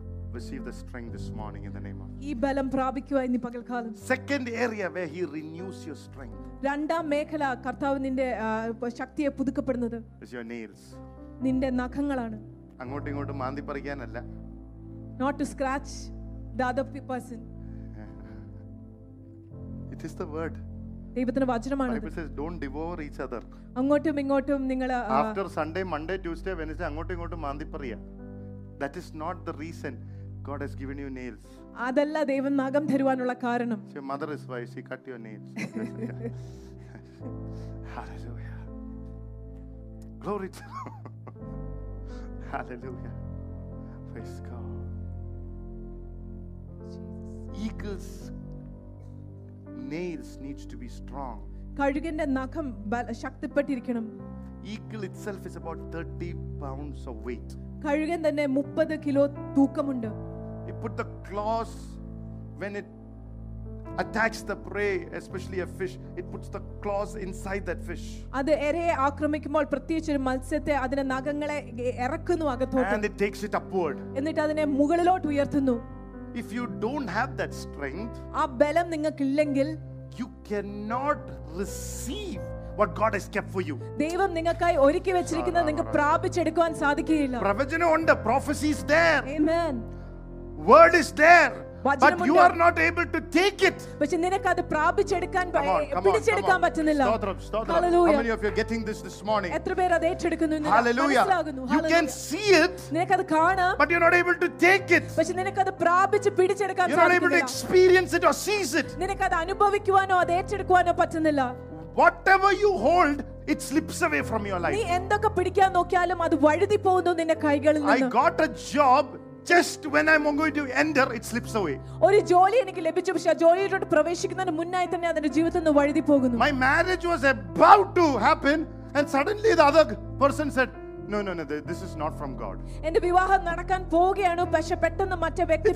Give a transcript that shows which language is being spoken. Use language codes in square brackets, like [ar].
[en] Receive the strength this morning in the name of. [ml] ഈ ബലം പ്രാപിക്കുക ഇനി പകൽക്കാലം. [en] Second area where he renews your strength. [ml] രണ്ടാം മേഖല കർത്താവ് നിന്റെ ശക്തിയെ പുതുക്കപ്പെടുന്നത്. [en] Is your nails. [ml] നിന്റെ നഖങ്ങളാണ്. അങ്ങോട്ടും ഇങ്ങോട്ടും മാന്തി പറിക്കാനല്ല. [en] Not to scratch the other person. It is the word. [ml] ദൈവത്തിന്റെ വചനമാണ്. [en] Bible says don't devour each other. [ml] അങ്ങോട്ടും ഇങ്ങോട്ടും നിങ്ങൾ [en] after Sunday, Monday, Tuesday, Wednesday [ml] അങ്ങോട്ടും ഇങ്ങോട്ടും മാന്തി പറിയാ. [en] That is not the reason God has given you nails. [ml] Adalla devan nagam theruvanulla kaaranam. [en] Your mother is why she cut your nails. Hallelujah. Glory to God. Hallelujah. Praise God. Eagle's nails need to be strong. [ml] കഴുകന്റെ നഖം ശക്തിപ്പെട്ടിരിക്കണം. [en] Eagle itself is about 30 pounds of weight. [ml] കഴുകൻ തന്നെ 30 kilo തൂക്കമുണ്ട്. [en] It put the claws when it attacks the prey, especially a fish, it puts the claws inside that fish. [ml] അത് ഇരയെ ആക്രമിക്കുമ്പോൾ പ്രത്യേകിച്ച് ഒരു മത്സ്യത്തെ അതിനെ നഖങ്ങളെ ഇറക്കുന്നു അകത്തോട്ട്. [en] And it takes it upward. [ml] എന്നിട്ട് അതിനെ മുകളിലോട്ട് ഉയർത്തുന്നു. [en] If you don't have that strength, [ml] ആ ബലം നിങ്ങൾക്കില്ലെങ്കിൽ, [en] you cannot receive what God has kept for you. [ml] ദൈവം നിങ്ങൾക്കായി ഒരുക്കി വെച്ചിരിക്കുന്നത് നിങ്ങൾ പ്രാപിച്ചെടുക്കാൻ സാധിക്കില്ല. പ്രവചനം ഉണ്ട്, [en] prophecy is there. Amen. Word is there. But you are not able to take it. [ml] പക്ഷെ നിനക്ക് അത് പ്രാപിച്ചെടുക്കാൻ പിടിച്ചെടുക്കാൻ പറ്റുന്നില്ല. [en] Hallelujah. How many of you are getting this morning? [ml] എത്ര പേർ അത് ഏറ്റെടുക്കുന്നു എന്ന് മനസ്സിലാകുന്നു. [en] You can see it. [ml] നിനക്ക് അത് കാണാം. [en] But you're not able to take it. [ml] പക്ഷെ നിനക്ക് അത് പ്രാപിച്ച് പിടിച്ചെടുക്കാൻ സാധിക്കുന്നില്ല. [en] You're not able to experience it or seize it. [ml] നിനക്ക് അത് അനുഭവിക്കുവാനോ അത് ഏറ്റെടുക്കുവാനോ പറ്റുന്നില്ല. [en] Whatever you hold, it slips away from your life. [ml] നീ എന്തൊക്കെ പിടിക്കാൻ നോക്കിയാലും അത് വഴുതി പോകുന്നു നിന്റെ കൈകളിൽ നിന്ന്. [en] I got a job. Just when I'm going to enter, it slips away. [ml] ഒരു ജോലി എനിക്ക് ലഭിച്ചു, പക്ഷെ ജോലിയിലോട്ട് പ്രവേശിക്കുന്നതിന് മുന്നായി തന്നെ അതിന്റെ ജീവിതം വഴുതി പോകുന്നു. [en] My marriage was about to happen and suddenly the other person said, no, this is not from God. [ml] എന്റെ വിവാഹം നടക്കാൻ പോവുകയാണ്, പക്ഷെ പെട്ടെന്ന് മറ്റേ വ്യക്തി